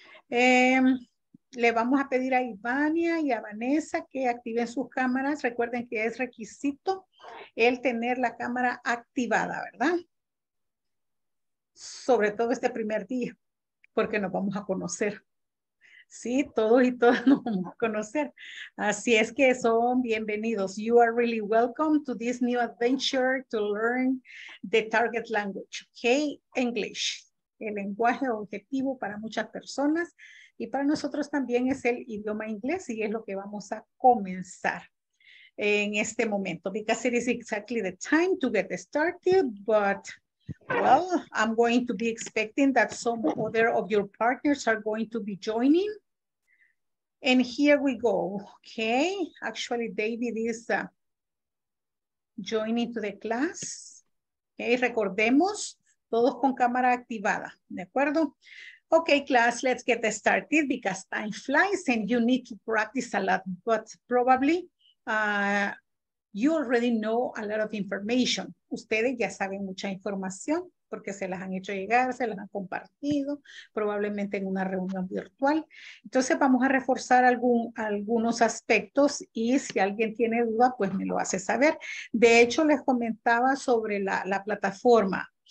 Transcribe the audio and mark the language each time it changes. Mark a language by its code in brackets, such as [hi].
[es] Le vamos a pedir a Ivania y a Vanessa que activen sus cámaras. Recuerden que es requisito el tener la cámara activada, ¿verdad? Sobre todo este primer día, porque nos vamos a conocer. Sí, todos y todas nos vamos a conocer. Así es que son bienvenidos. [en] You are really welcome to this new adventure to learn the target language, okay? [es] English, el lenguaje objetivo para muchas personas y para nosotros también es el idioma inglés y es lo que vamos a comenzar en este momento. [en] Because it is exactly the time to get started, but well, I'm going to be expecting that some other of your partners are going to be joining. And here we go, okay? Actually, David is joining to the class. [es] Okay, recordemos, todos con cámara activada, ¿de acuerdo? [en] Okay, class, let's get started because time flies and you need to practice a lot, but probably you already know a lot of information. [es] Ustedes ya saben mucha información porque se las han hecho llegar, se las han compartido, probablemente en una reunión virtual. Entonces vamos a reforzar algunos aspectos y si alguien tiene duda, pues me lo hace saber. De hecho, les comentaba sobre la plataforma.